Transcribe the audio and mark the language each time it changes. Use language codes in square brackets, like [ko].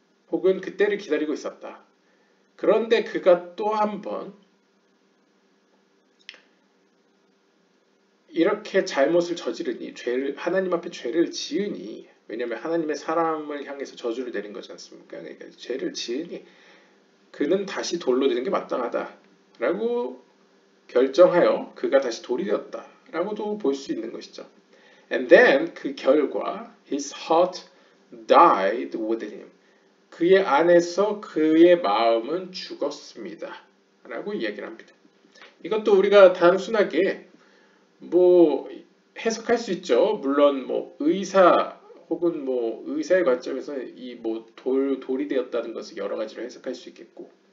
[ko] 혹은 그때를 기다리고 있었다. 그런데 그가 또 한 번 이렇게 잘못을 저지르니 죄를 하나님 앞에 죄를 지으니 왜냐하면 하나님의 사람을 향해서 저주를 내린 거지 않습니까? 그러니까 죄를 지으니 그는 다시 돌로 되는 게 마땅하다라고 결정하여 그가 다시 돌이 되었다라고도 볼 수 있는 것이죠. [en] And then [ko] 그 결과 [en] his heart died within him. [ko] 그의 안에서 그의 마음은 죽었습니다. 라고 이야기를 합니다. 이것도 우리가 단순하게 뭐 해석할 수 있죠. 물론 뭐 의사 혹은 뭐 의사의 관점에서 이 뭐 돌이 되었다는 것을 여러 가지로 해석할 수 있겠고